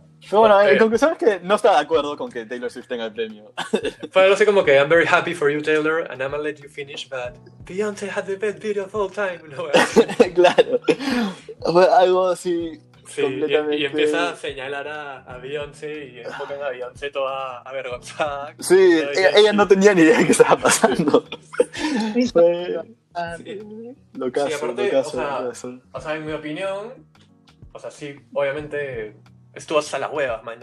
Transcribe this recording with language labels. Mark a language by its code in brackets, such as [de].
[es] Bueno, en conclusión es que no está de acuerdo con que Taylor Swift tenga el premio. Pero no sé, como que, [en] I'm very happy for you, Taylor, and I'm gonna let you finish, but Beyoncé had the best video of all time. [es] No, claro. Fue algo así, sí, completamente. Y empieza a señalar a Beyoncé y enfocan a Beyoncé toda avergonzada. Sí, ella no tenía ni idea de qué estaba pasando. Fue lo caso. O sea, en mi opinión, o sea, sí, obviamente, estuvo hasta las huevas, man.